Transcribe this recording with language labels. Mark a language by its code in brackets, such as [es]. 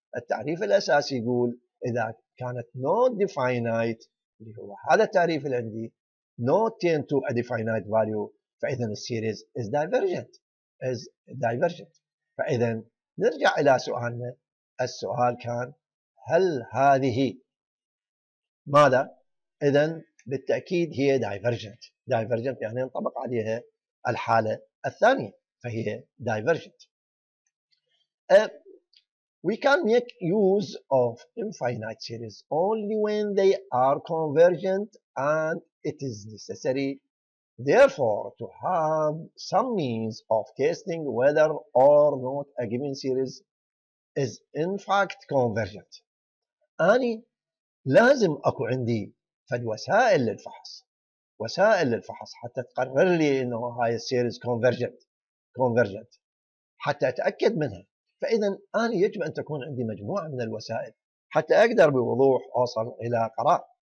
[ar] التعريف الاساسي يقول اذا كانت not definite اللي هو هذا التعريف اللي عندي [en] not tend to a definite value [ar] فاذا السيريز is divergent فاذا نرجع الى سؤالنا. السؤال كان هل هذه ماذا؟ اذا بالتأكيد هي divergent. divergent يعني ينطبق عليها الحالة الثانية فهي divergent. [en] We can make use of infinite series only when they are convergent and it is necessary therefore to have some means of testing whether or not a given series is in fact convergent. [ar] أني لازم أكو عندي فالوسائل للفحص حتى تقرر لي انه هاي السيريز كونفرجنت حتى اتاكد منها. فاذا انا يجب ان تكون عندي مجموعه من الوسائل حتى اقدر بوضوح اوصل الى قرار.